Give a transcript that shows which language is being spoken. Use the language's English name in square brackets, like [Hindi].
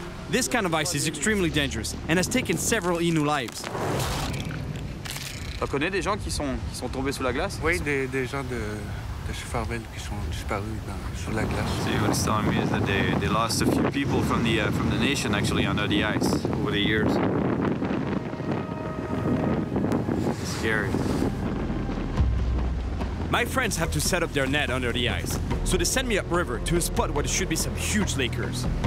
[English] This kind of ice is extremely dangerous and has taken several Innu lives. [French] On connaît des gens qui sont tombés sous la glace? Oui, des gens de Chefarville qui sont disparus sous la glace. [English] See, what's telling me is that they lost a few people from the nation actually under the ice over the years. It's scary. My friends have to set up their net under the ice, so they send me upriver to a spot where there should be some huge lakers.